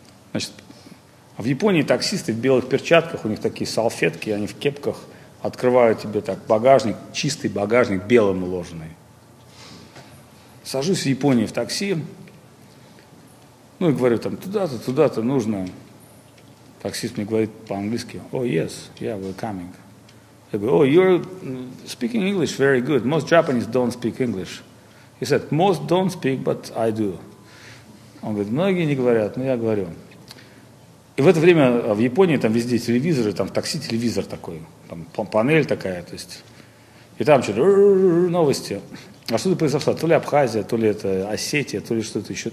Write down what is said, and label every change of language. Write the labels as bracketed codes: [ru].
[ru] Значит, в Японии таксисты в белых перчатках, у них такие салфетки, они в кепках открывают тебе так багажник, чистый багажник, белым уложенный. Сажусь в Японии в такси, ну и говорю там, туда-то нужно. Таксист мне говорит по-английски, [en] oh yes, yeah, we're coming. [ru] Я говорю, [en] oh, you're speaking English very good, most Japanese don't speak English. He said, most don't speak, but I do. [ru] Он говорит, многие не говорят, но я говорю. И в это время в Японии там везде телевизоры, там в такси телевизор такой, там панель такая, то есть. И там что-то новости. А что-то произошло, то ли Абхазия, то ли это Осетия, то ли что-то еще.